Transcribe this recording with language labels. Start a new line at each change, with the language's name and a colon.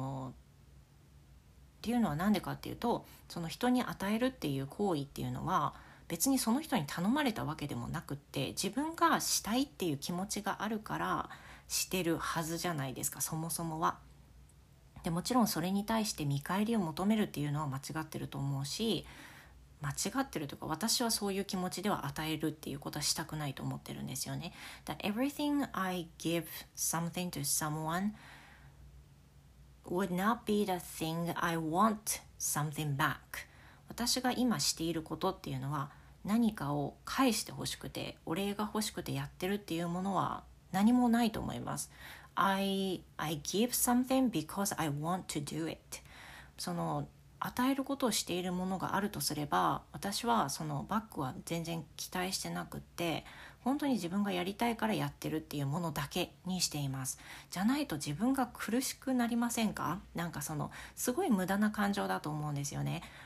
Japanese: っていうのはなんでかっていうと、その人に与えるっていう行為っていうのは別にその人に頼まれたわけでもなくって、自分がしたいっていう気持ちがあるからしてるはずじゃないですか、そもそもは。で、もちろんそれに対して見返りを求めるっていうのは間違ってると思うし、間違ってるというか、私はそういう気持ちでは与えるっていうことはしたくないと思ってるんですよね。
English: That everything I give something to someoneWould not be the thing I want something back.
Japanese: 私が今していることっていうのは何かを返してほしくて、お礼が欲しくてやってるっていうものは何もないと思います。
English: I give something because I want to do it.
Japanese: その与えることをしているものがあるとすれば、私はそのバックは全然期待してなくって、本当に自分がやりたいからやってるっていうものだけにしています。じゃないと自分が苦しくなりませんか？なんかそのすごい無駄な感情だと思うんですよね。